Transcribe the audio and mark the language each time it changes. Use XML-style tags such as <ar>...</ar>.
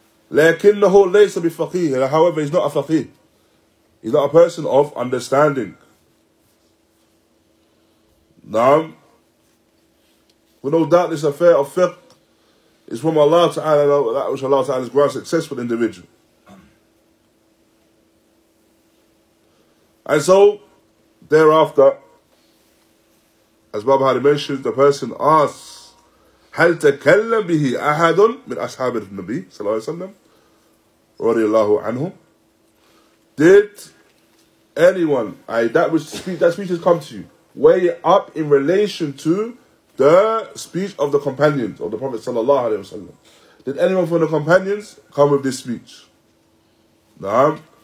<ar>لَكِنَّهُ لَيْسَ بِفَقِيهِ.</ar> <en>However, he's not a faqih. He's not a person of understanding. Now, with no doubt this affair of fiqh is from Allah Ta'ala, that which Allah Ta'ala has granted success for the individual. And so, thereafter, as Barbahaaree mentions, the person asks,</en> <ar>هَلْ تَكَلَّمْ بِهِ أَحَدٌ مِنْ أَصْحَابِ النَّبِي صلى الله عليه وسلم رَضِيَ اللَّهُ عَنْهُمْ.</ar> <en>Did anyone, that speech has come to you, weigh it up in relation to the speech of the companions, of the Prophet sallallahu alayhi wa sallam. Did anyone from the companions come with this speech? Naam.</en>